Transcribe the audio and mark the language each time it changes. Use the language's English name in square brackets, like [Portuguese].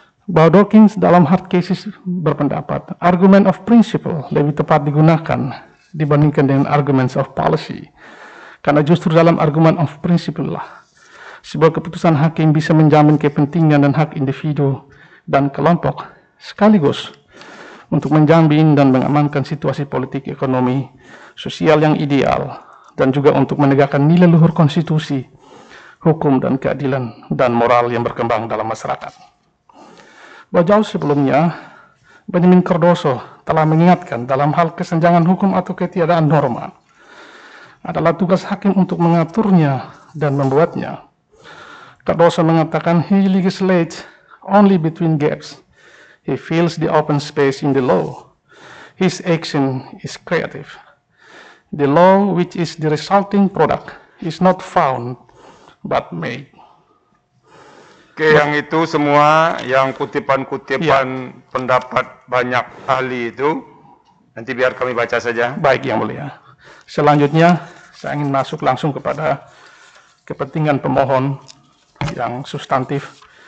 [Indonesian] Bahwa Dawkins dalam [English] hard cases [Indonesian] berpendapat [English] argument of principle [Indonesian] lebih tepat digunakan dibandingkan dengan [English] arguments of policy, [Indonesian] karena justru dalam argument of principle lah sebuah keputusan hakim bisa menjamin kepentingan dan hak individu dan kelompok sekaligus untuk menjamin dan mengamankan situasi politik, ekonomi, sosial yang ideal, dan juga untuk menegakkan nilai luhur konstitusi, hukum dan keadilan, dan moral yang berkembang dalam masyarakat. Bahwa jauh sebelumnya, Benjamin Cardoso telah mengingatkan dalam hal kesenjangan hukum atau ketiadaan norma, adalah tugas hakim untuk mengaturnya dan membuatnya. Cardoso mengatakan, [English] "He legislates only between gaps. He fills the open space in the law. His action is creative. The law, which is the resulting product, is not found, but made." [Indonesian] Oke, but, yang itu semua, yang kutipan-kutipan yeah. Pendapat banyak ahli itu, nanti biar kami baca saja. Baik, Yang Mulia. Selanjutnya, saya ingin masuk langsung kepada kepentingan pemohon yang substantif.